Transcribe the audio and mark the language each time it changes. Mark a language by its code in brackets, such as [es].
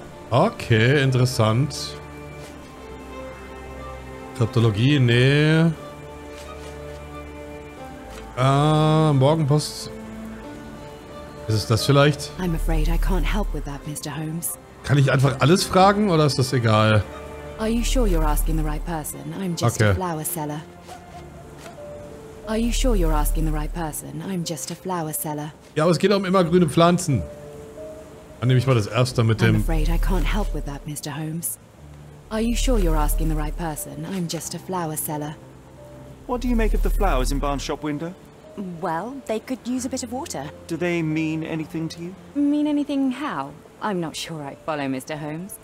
[de] Okay, interessant. Kryptologie, nee. Morgenpost. Was ist das vielleicht? [en] I'm afraid I can't help with that, Mr. Holmes. [de] Kann ich einfach alles fragen oder ist das egal? [en] Are you sure you're asking the right person? I'm just a flower seller. Are you sure you're asking the right person? I'm just a flower seller. [de] Ja, aber es geht auch um immer grüne Pflanzen. Dann nehme ich mal das erste mit dem. [en] I'm afraid I can't help with that, Mr. Holmes. Are you sure you're asking the right person? I'm just a flower seller. What do you make of the flowers in Barnes' shop window? Well, they could use a bit of water. Do they mean anything to you? Mean anything how? I'm not sure I follow Mr. Holmes.